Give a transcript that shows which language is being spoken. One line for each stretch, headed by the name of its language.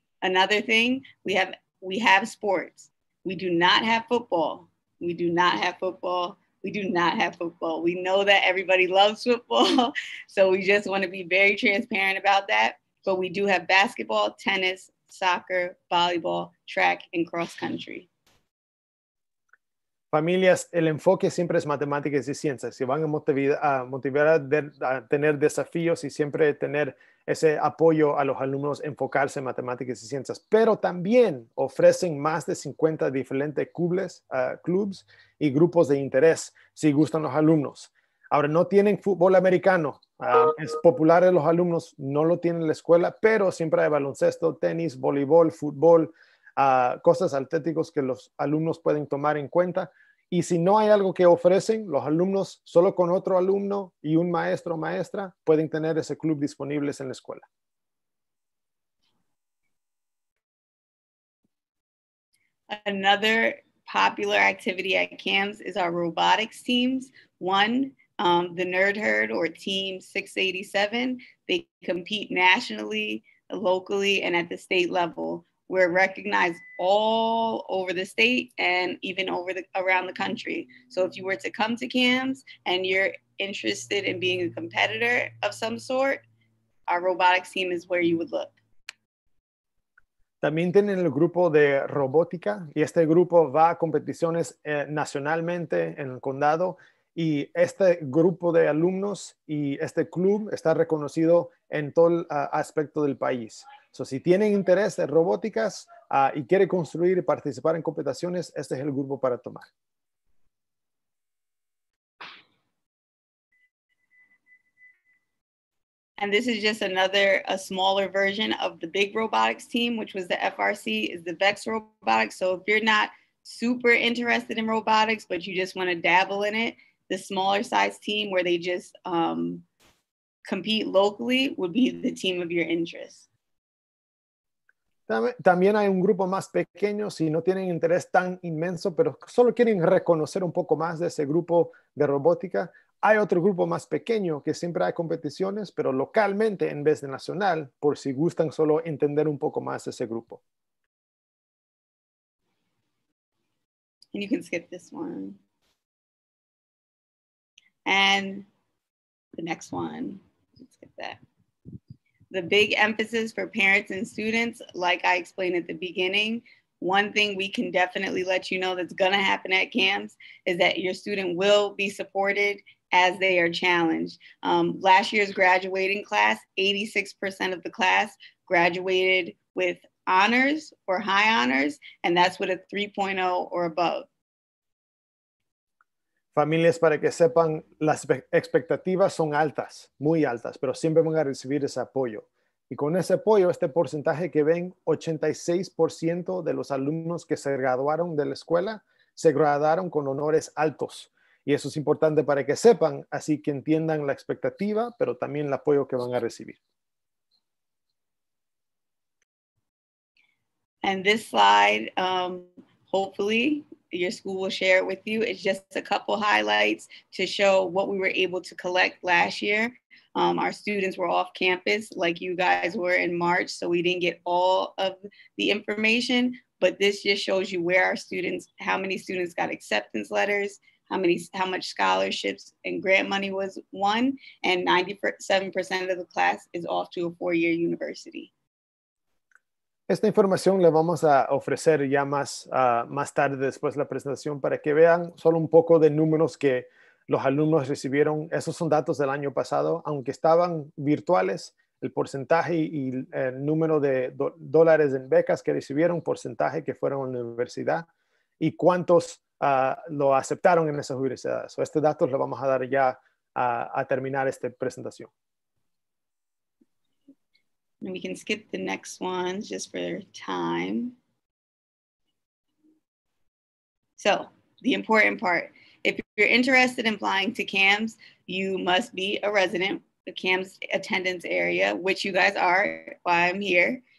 English: Another thing, we have sports. We do not have football. We do not have football. We do not have football. We know that everybody loves football, so we just want to be very transparent about that. But we do have basketball, tennis, soccer, volleyball, track, and cross country.
Spanish: Familias, el enfoque siempre es matemáticas y ciencias. Si van a motivar a tener desafíos y siempre tener ese apoyo a los alumnos enfocarse en matemáticas y ciencias. Pero también ofrecen más de 50 diferentes clubes y grupos de interés si gustan los alumnos. Ahora, no tienen fútbol americano. Es popular en los alumnos, no lo tienen en la escuela, pero siempre hay baloncesto, tenis, voleibol, fútbol. Cosas atléticos que los alumnos pueden tomar en cuenta. Y si no hay algo que ofrecen, los alumnos solo con otro alumno y un maestro o maestra pueden tener ese club disponibles en la escuela.
English: Another popular activity at CAMS is our robotics teams. One, the Nerd Herd or Team 687. They compete nationally, locally, and at the state level. We're recognized all over the state and even around the country. So if you were to come to CAMS and you're interested in being a competitor of some sort, our robotics team is where you would look.
Spanish: También tienen el grupo de robótica y este grupo va a competiciones nacionalmente en el condado y este grupo de alumnos y este club está reconocido en todo aspecto del país. So, si tienen interés en robóticas y quieren construir y participar en competiciones, este es el grupo para tomar.
English: And this is just a smaller version of the big robotics team, which was the FRC, is the VEX robotics. So if you're not super interested in robotics, but you just want to dabble in it, the smaller size team where they just compete locally would be the team of your interest.
Spanish: También hay un grupo más pequeño, si no tienen interés tan inmenso, pero solo quieren reconocer un poco más de ese grupo de robótica. Hay otro grupo más pequeño que siempre hay competiciones, pero localmente en vez de nacional, por si gustan solo entender un poco más de ese grupo.
English: And you can skip this one. And the next one. Let's skip that. The big emphasis for parents and students, like I explained at the beginning, one thing we can definitely let you know that's gonna happen at CAMS is that your student will be supported as they are challenged. Last year's graduating class, 86% of the class graduated with honors or high honors, and that's with a 3.0 or above.
Spanish: Familias, para que sepan, las expectativas son altas, muy altas, pero siempre van a recibir ese apoyo. Y con ese apoyo, este porcentaje que ven, 86% de los alumnos que se graduaron de la escuela se graduaron con honores altos. Y eso es importante para que sepan, así que entiendan la expectativa, pero también el apoyo que van a recibir.
English: And this slide, hopefully, your school will share it with you. It's just a couple highlights to show what we were able to collect last year. Our students were off campus like you guys were in March, so we didn't get all of the information, but this just shows you where our students, how many students got acceptance letters, how much scholarships and grant money was won, and 97% of the class is off to a four-year university.
Spanish: Esta información la vamos a ofrecer ya más, más tarde después de la presentación para que vean solo un poco de números que los alumnos recibieron. Esos son datos del año pasado. Aunque estaban virtuales, el porcentaje y el número de dólares en becas que recibieron, porcentaje que fueron a la universidad y cuántos lo aceptaron en esas universidades. So, este dato lo vamos a dar ya a terminar esta presentación.
English: And we can skip the next ones just for time. So the important part, if you're interested in applying to CAMS, you must be a resident of the CAMS attendance area, which you guys are, why I'm here.